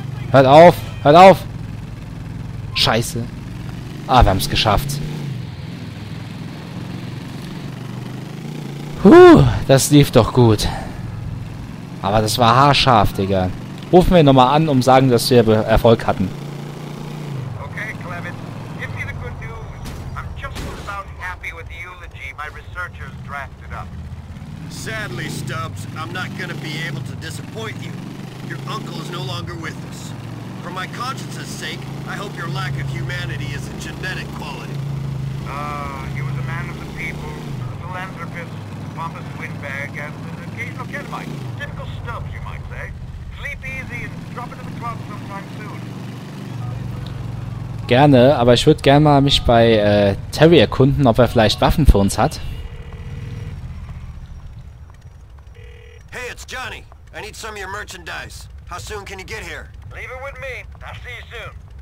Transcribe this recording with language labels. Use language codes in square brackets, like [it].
[de] Hört auf, hört auf. Scheiße. Ah, wir haben es geschafft. Puh, das lief doch gut. Aber das war haarscharf, Digga. Rufen wir nochmal an, um sagen, dass wir Erfolg hatten. [en] Okay, Clement. Give me the good news. I'm just about happy with the eulogy my researchers drafted up. Sadly, Stubbs, I'm not gonna be able to disappoint you. Your uncle is no longer with us. For my conscience's sake, I hope your lack of humanity is a genetic quality. He was a man of the people, a philanthropist, a pompous windbag, and an occasional Kenmite. Typical Stubbs, you might say. Sleep easy and drop into the club sometime soon. [de] Gerne, aber ich würde gerne mal mich bei Terry erkunden, ob er vielleicht Waffen für uns hat. [en] Johnny, I need some of your merchandise. How soon can you get here? Leave it with me. I'll see you soon.